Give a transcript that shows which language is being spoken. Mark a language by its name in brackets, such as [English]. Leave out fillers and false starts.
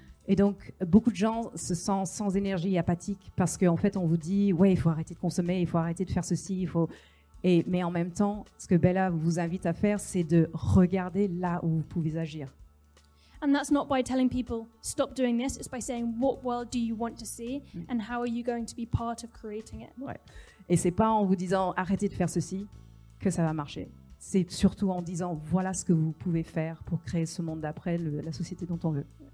[French] Et donc beaucoup de gens se sentent sans énergie, apathiques parce qu'en fait on vous dit ouais, il faut arrêter de consommer, il faut arrêter de faire ceci, il faut et mais en même temps, ce que Bella vous invite à faire, c'est de regarder là où vous pouvez agir. [English] And that's not by telling people stop doing this, it's by saying what world do you want to see and how are you going to be part of creating it. [French] Ouais. Et c'est pas en vous disant arrêtez de faire ceci que ça va marcher. C'est surtout en disant voilà ce que vous pouvez faire pour créer ce monde d'après, la société dont on veut.